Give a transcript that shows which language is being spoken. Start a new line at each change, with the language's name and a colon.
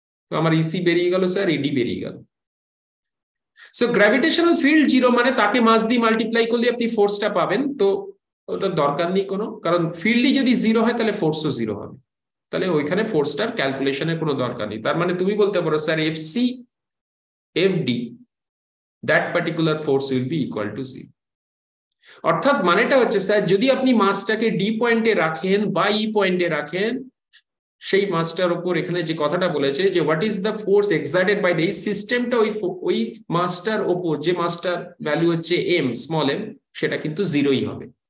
Bangla: তো আমার ইসি বেরিয়ে গেল স্যার, ইডি বেরিয়ে গেল। সো গ্র্যাভিটেশনাল ফিল্ড জিরো মানে তাকে মাস দিয়ে মাল্টিপ্লাই করলে আপনি ফোর্সটা পাবেন, তো ওটা দরকার নেই কোনো, কারণ ফিল্ডই যদি জিরো হয় তাহলে ফোর্সও জিরো হবে, তাহলে ওইখানে ফোর্সটার ক্যালকুলেশনের কোনো দরকার নেই। তার মানে তুমি বলতে পারো sir
English: FC FD that particular force will be equal to zero.
Bangla: অর্থাৎ মানেটা হচ্ছে স্যার যদি আপনি মাসটাকে ডি পয়েন্টে রাখেন বা ই পয়েন্টে রাখেন, সেই মাসটার উপর এখানে যে কথাটা বলেছে যে what is the force exerted by the সিস্টেমটা ওই ওই মাসটার উপর, যে মাসটার ভ্যালু হচ্ছে এম স্মল এম, সেটা কিন্তু জিরোই হবে।